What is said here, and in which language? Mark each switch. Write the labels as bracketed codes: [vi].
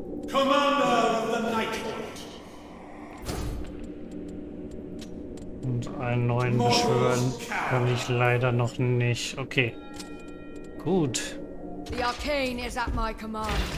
[en] Commander of the Nightlord. [de] Und einen neuen beschwören kann ich leider noch nicht. Okay. Gut. [en] The Arcane is at my command.